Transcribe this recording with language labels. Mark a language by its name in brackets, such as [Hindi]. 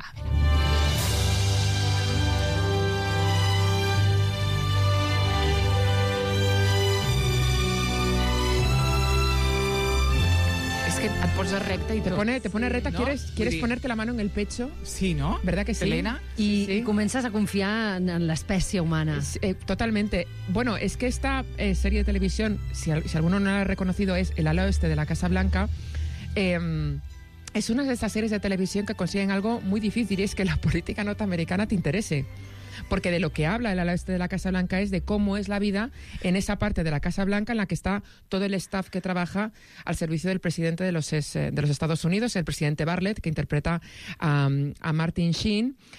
[Spanish] A ver... [Catalan] que et poses recta i tot. [Spanish] Te pone recta, sí, quieres ponerte la mano en el pecho. Sí, no? ¿Verdad que sí? Elena. [Catalan] Y comences a confiar en l'espècie humana. [Spanish] Totalmente. Bueno, es que esta serie de televisión, si alguno no la ha reconocido, es El ala oeste de la Casa Blanca. Es una de esas series de televisión que consiguen algo muy difícil, y es que la política norteamericana te interese. Porque de lo que habla el ala oeste de la Casa Blanca es de cómo es la vida en esa parte de la Casa Blanca en la que está todo el staff que trabaja al servicio del presidente de los Estados Unidos, el presidente Bartlet, que interpreta a Martin Sheen.